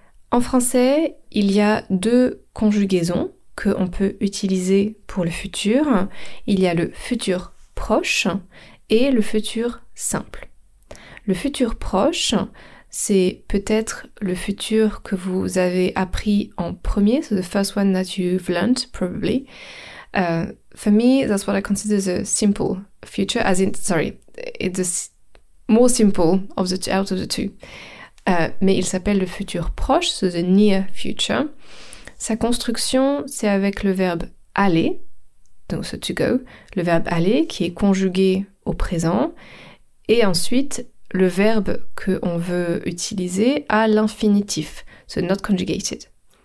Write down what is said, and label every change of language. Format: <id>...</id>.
<fr>En français, il y a deux conjugaisons qu'on peut utiliser pour le futur. Il y a le futur proche et le futur simple. Le futur proche, c'est peut-être le futur que vous avez appris en premier.</fr> <en>So the first one that you've learned, probably. For me, that's what I consider the simple future. As in, sorry, it's the more simple of the two, out of the two.</en> <fr>Mais il s'appelle le futur proche,</fr> <en>so the near future.</en> <fr>Sa construction, c'est avec le verbe « aller », donc «</fr> <en>so to go</en> <fr>», le verbe « aller » qui est conjugué au présent, et ensuite le verbe qu'on veut utiliser à l'infinitif, «</fr> <en>so not conjugated ».</en>